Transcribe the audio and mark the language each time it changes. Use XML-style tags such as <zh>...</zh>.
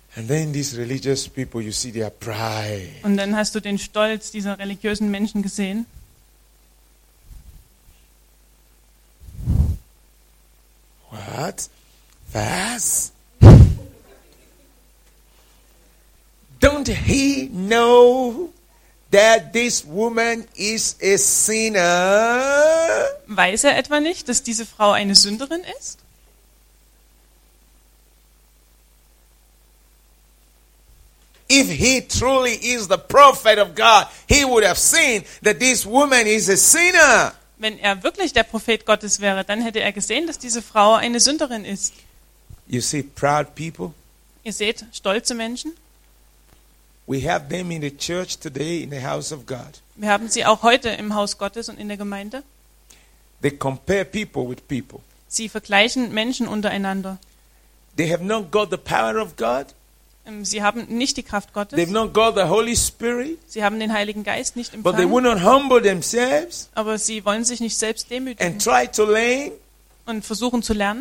<en>And then these religious people, you see their pride.</en> <de>Und dann hast du den Stolz dieser religiösen Menschen gesehen.</de> <en>What?</en> <de>Was?</de> <en>Don't he know that this woman is a sinner?</en> <de>Weiß er etwa nicht, dass diese Frau eine Sünderin ist?</de> <en>If he truly is the prophet of God, he would have seen that this woman is a sinner.</en> <de>Wenn er wirklich der Prophet Gottes wäre, dann hätte er gesehen, dass diese Frau eine Sünderin ist.</de> <en>You see proud people?</en> <de>Ihr seht stolze Menschen?</de> <en>We have them in the church today in the house of God.</en> <de>Wir haben sie auch heute im Haus Gottes und in der Gemeinde.</de> <en>They compare people with people.</en> <de>Sie vergleichen Menschen untereinander.</de> <en>They have not got the power of God.</en> <de>Sie haben nicht die Kraft Gottes.</de> <en>They've not got the Holy Spirit.</en> <de>Sie haben den Heiligen Geist nicht empfangen.</de> <en>But they will not humble themselves.</en> <de>Aber sie wollen sich nicht selbst demütigen.</de> <en>And try to learn.</en> <de>Und versuchen zu lernen.</de>